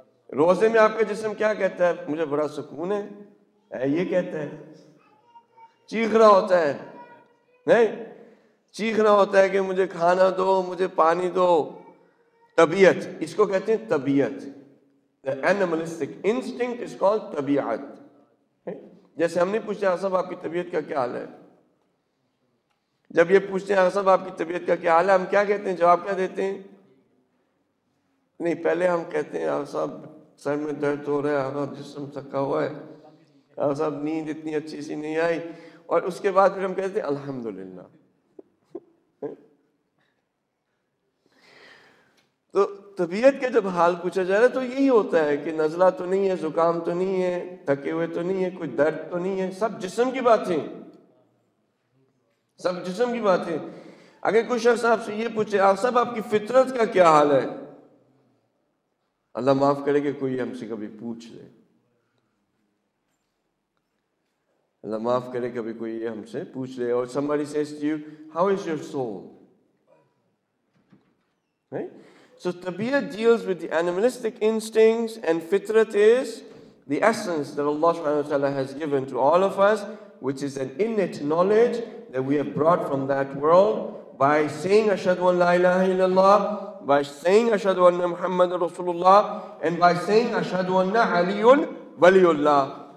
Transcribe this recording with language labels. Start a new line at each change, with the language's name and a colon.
Urdu: روزے میں آپ کا جسم کیا کہتا ہے؟ مجھے بڑا سکون ہے. یہ کہتا ہے, چیخ رہا ہوتا ہے, نہیں چیخ رہا ہوتا ہے کہ مجھے کھانا دو, مجھے پانی دو. طبیعت, اس کو کہتے ہیں طبیعت.
English: The animalistic instinct is called tabiat.
Urdu: جیسے ہم نے پوچھا صاحب آپ کی طبیعت کا کیا حال ہے, جب یہ پوچھتے ہیں صاحب آپ کی طبیعت کا کیا حال ہے, ہم کیا کہتے ہیں, جواب کیا دیتے ہیں؟ نہیں, پہلے ہم کہتے ہیں صاحب سر میں درد ہو رہا ہے, جسم تھکا ہوا ہے, صاحب نیند اتنی اچھی سی نہیں آئی, اور اس کے بعد پھر ہم کہتے ہیں الحمدللہ. تو طبیعت کے جب حال پوچھا جا رہا ہے تو یہی ہوتا ہے کہ نزلہ تو نہیں ہے, زکام تو نہیں ہے, تھکے ہوئے تو نہیں ہے, کوئی درد تو نہیں ہے, سب جسم کی باتیں, سب جسم کی باتیں. اگر کوئی شخص آپ سے یہ پوچھے آپ سب آپ کی فطرت کا کیا حال ہے, اللہ معاف کرے کہ کوئی ہم سے کبھی پوچھ لے, اللہ معاف کرے کبھی کوئی یہ ہم سے پوچھ لے.
English: اور somebody says to you, how is your soul? Right? So tabiat deals with the animalistic instincts and fitrat is the essence that Allah subhanahu wa ta'ala has given to all of us, which is an innate knowledge that we have brought from that world by saying
Arabic: ashhadu an la ilaha illallah,
English: by saying
Arabic: ashhadu anna muhammadan rasulullah,
English: and by saying
Arabic: ashhadu anna aliyun waliyullah.